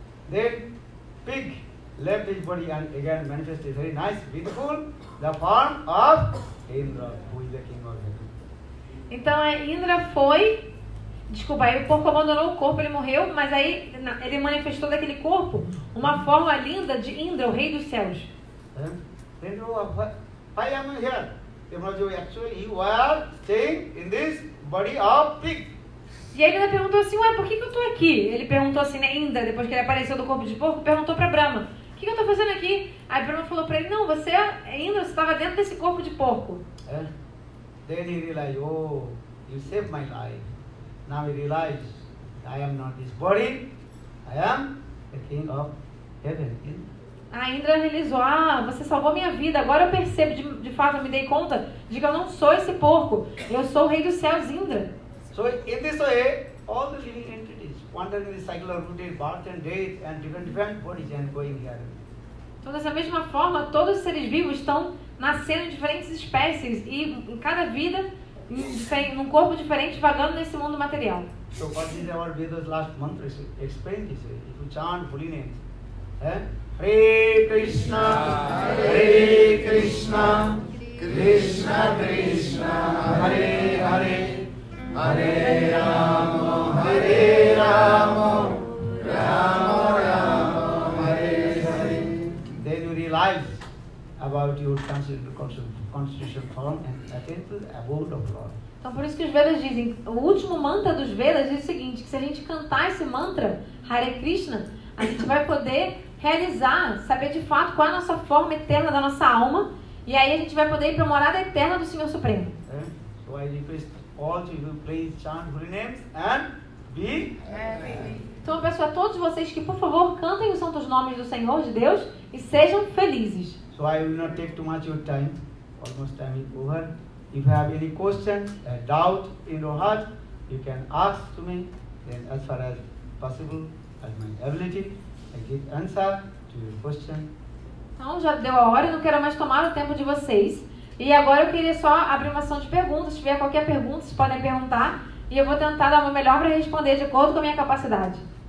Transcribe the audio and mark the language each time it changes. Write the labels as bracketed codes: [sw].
[en] Then pig left his body and again manifested very nice, beautiful, the form of Indra, who is the king of heaven. [pt] Então a Indra foi, desculpa, aí o porco abandonou o corpo, ele morreu, mas aí ele manifestou daquele corpo uma forma linda de Indra, o rei dos céus. [en] Why am I here? Actually, you are staying in this body of pig. [pt] E aí ele perguntou assim, ué, por que eu tô aqui? Ele perguntou assim, né, ainda, depois que ele apareceu do corpo de porco, perguntou pra Brahma, o que eu tô fazendo aqui? Aí Brahma falou pra ele, não, você ainda estava dentro desse corpo de porco. [en] Then he realized, oh, you saved my life. Now he realized, I am not this body, I am the king of heaven. [pt] A Indra realizou, você salvou minha vida, agora eu percebo, de fato, eu me dei conta de que eu não sou esse porco, eu sou o rei dos céus, Indra. [en] So in this way, all the living entities wandering in the cycle of routine, birth and death and different bodies and going here. [pt] Então dessa mesma forma, todos os seres vivos estão nascendo em diferentes espécies e em cada vida, num corpo diferente, vagando nesse mundo material. [en] So what did our Vedas last month explain this? If you chant holy names, Hare Krishna, Hare Krishna, Krishna Krishna, Hare Hare, Hare Rama, Hare Rama, Rama Rama, Hare Hare. Then you realize about your constitutional form and attain to the abode of Lord. [pt] Então por isso que os Vedas dizem, o último mantra dos Vedas diz o seguinte, que se a gente cantar esse mantra, Hare Krishna, a gente vai poder realizar, saber de fato qual é a nossa forma eterna da nossa alma, e aí a gente vai poder ir para a morada eterna do Senhor Supremo. [en] So I request all to you, please chant holy names and be happy. [pt] Então eu peço a todos vocês que por favor cantem os santos nomes do Senhor, de Deus, e sejam felizes. [en] So I will not take too much of your time, almost time is over. If you have any question, a doubt in your heart, you can ask to me, then as far as possible, as my ability, I give answer to your question. [pt] Então, já deu a hora e não quero mais tomar o tempo de vocês. E agora eu queria só abrir uma sessão de perguntas. Se tiver qualquer pergunta, vocês podem perguntar. E eu vou tentar dar o meu melhor para responder de acordo com a minha capacidade.